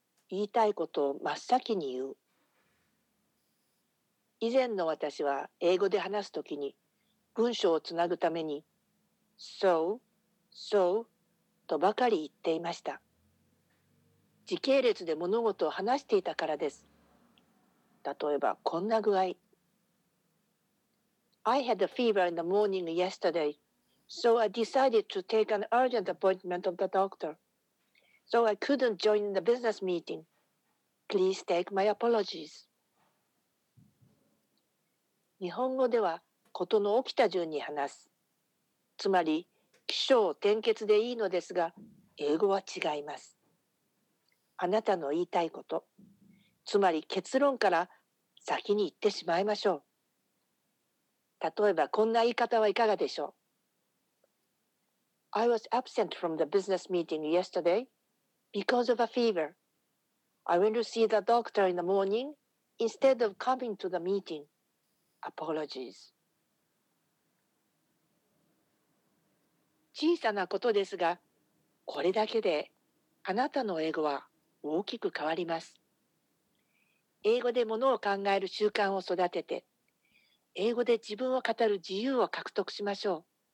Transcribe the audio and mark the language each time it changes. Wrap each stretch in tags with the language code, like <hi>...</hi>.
<ja>言いたいことを真っ先に言う。以前の私は英語で話すときに文章をつなぐために So, so とばかり言っていました。時系列で物事を話していたからです。例えばこんな具合、</ja> <en>I had a fever in the morning yesterday, so I decided to take an urgent appointment of the doctor. So I couldn't join the business meeting. Please take my apologies.</en> <ja>日本語では、ことの起きた順に話す。つまり、起承転結でいいのですが、英語は違います。あなたの言いたいこと、つまり結論から先に言ってしまいましょう。例えばこんな言い方はいかがでしょう。</ja> <en>I was absent from the business meeting yesterday because of a fever. I went to see the doctor in the morning instead of coming to the meeting. Apologies.</en> <ja>小さなことですが、これだけであなたの英語は大きく変わります。英語で物を考える習慣を育てて、英語で自分を語る自由を獲得しましょう。</ja>